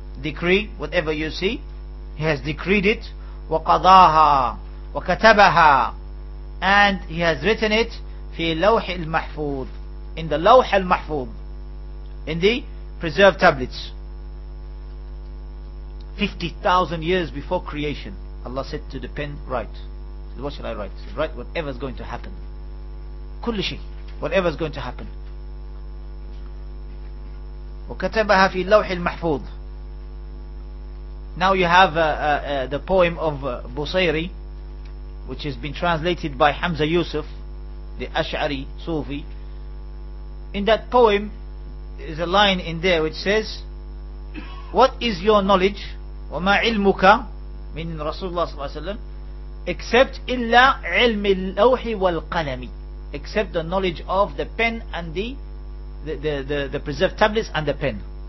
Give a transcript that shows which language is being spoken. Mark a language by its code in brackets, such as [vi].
[en] Decree, whatever you see, he has decreed it. [ar] وَقَضَاهَا وَكَتَبَهَا, [en] and he has written it [ar] في لوح المحفوظ, [en] in the [ar] لوح المحفوظ, [en] in the preserved tablets. 50,000 years before creation, Allah said to the pen, write. So what shall I write? So write whatever is going to happen. [ar] كل شيء, [en] whatever is going to happen. [ar] وكتبها في اللوح المحفوظ. [en] Now you have the poem of Busayri, which has been translated by Hamza Yusuf, the Ash'ari Sufi. In that poem, there's a line in there which says, what is your knowledge, [ar] وَمَا عِلْمُكَ, [en] meaning Rasulullah sallallahu alayhi wa sallam, except [ar] إِلَّا عِلْمِ اللَّوْحِ وَالْقَلَمِ, [en] except the knowledge of the pen and the preserved tablets and the pen.